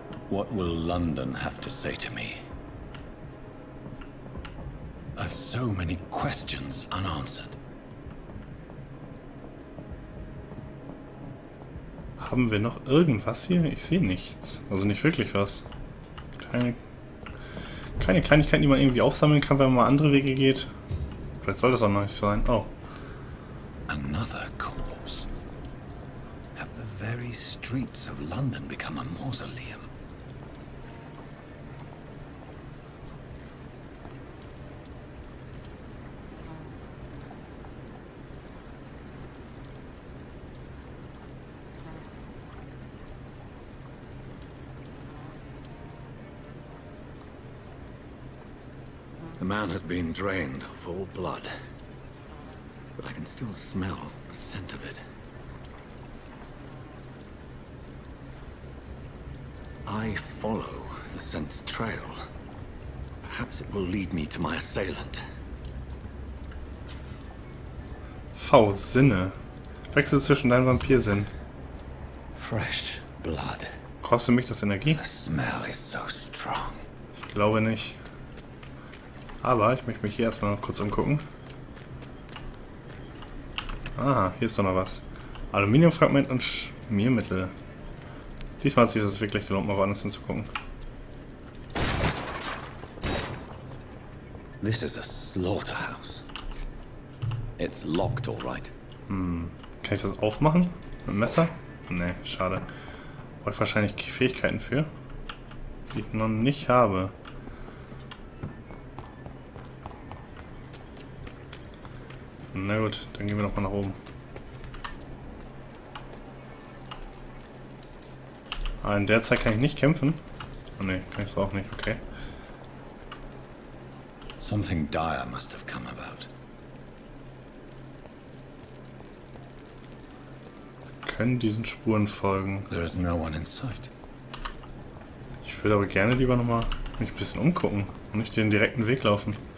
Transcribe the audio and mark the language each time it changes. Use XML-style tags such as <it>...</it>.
<en>What will London have to say to me? I've so many questions unanswered.</en> <de>Haben wir noch irgendwas hier? Ich sehe nichts. Also nicht wirklich was. Keine Kleinigkeiten, die man irgendwie aufsammeln kann, wenn man mal andere Wege geht. Vielleicht soll das auch noch nicht sein. Oh.</de> <en>Another corpse. Have the very streets of London become a mausoleum? The man has been drained of all blood, but I can still smell the scent of it. I follow the scent's trail. Perhaps it will lead me to my assailant.</en> <de>V-Sinne. Wechsel zwischen deinem Vampirsinn.</de> <en>Fresh blood.</en> <de>Kostet mich das Energie?</de> <en>The smell is so strong.</en> <de>Ich glaube nicht. Aber ich möchte mich hier erstmal noch kurz umgucken. Ah, hier ist doch noch was. Aluminiumfragment und Schmiermittel. Diesmal hat sich das wirklich gelohnt, mal woanders hinzugucken.</de> <en>This is a slaughterhouse. It's locked, all right.</en> <de>Hm. Kann ich das aufmachen? Mit einem Messer? Nee, schade. Brauche ich wahrscheinlich Fähigkeiten für, die ich noch nicht habe. Na gut, dann gehen wir nochmal nach oben. Ah, in der Zeit kann ich nicht kämpfen. Oh ne, kann ich es auch nicht, okay.</de> <en>Something dire must have come about.</en> <de>Können diesen Spuren folgen.</de> <en>There is no one in sight.</en> <de>Ich würde aber gerne lieber nochmal mich ein bisschen umgucken und nicht den direkten Weg laufen.</de>